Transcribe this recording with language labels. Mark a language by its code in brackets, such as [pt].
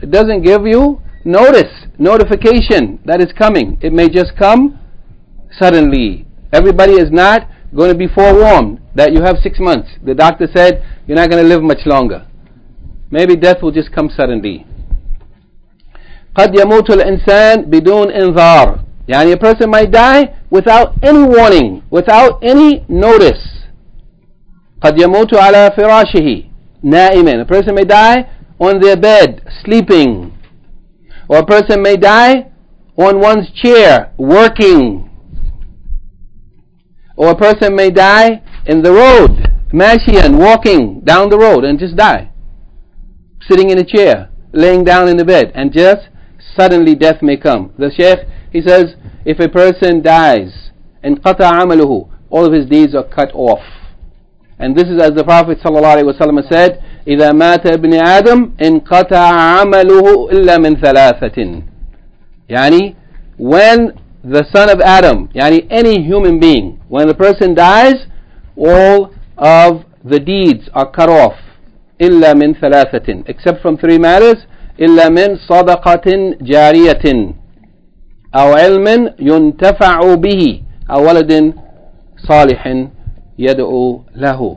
[en] It doesn't give you notice, notification that it's coming. It may just come suddenly. Everybody is not going to be forewarned that you have 6 months. The doctor said, you're not going to live much longer. Maybe death will just come suddenly. [ar] قد يموت الإنسان بدون إنذار. [en] يعني a person might die without any warning, without any notice. [ar] قَدْ يَمُوتُ عَلَىٰ فِرَاشِهِ نَائِمًا. [en] A person may die on their bed, sleeping. Or a person may die on one's chair, working. Or a person may die in the road, mashian, walking down the road and just die. Sitting in a chair, laying down in the bed, and just suddenly death may come. The Shaykh, he says, if a person dies, and [ar] قَطَىٰ عَمَلُهُ, [en] all of his deeds are cut off. And this is as the Prophet ﷺ said, [ar] إِذَا مَاتَ ابْنِ آدَمْ إِنْ قَتَعَ عَمَلُهُ إِلَّا مِنْ ثَلَاثَةٍ. [en] Yani, when the son of Adam, yani any human being, when the person dies, all of the deeds are cut off. [ar] إِلَّا مِنْ ثَلَاثَةٍ. [en] Except from three matters. [ar] إِلَّا مِنْ صَدَقَةٍ جَارِيَةٍ أَوْ عِلْمٍ يُنْتَفَعُ بِهِ أَوْ وَلَدٍ صَالِحٍ يَدْعُوا لَهُ.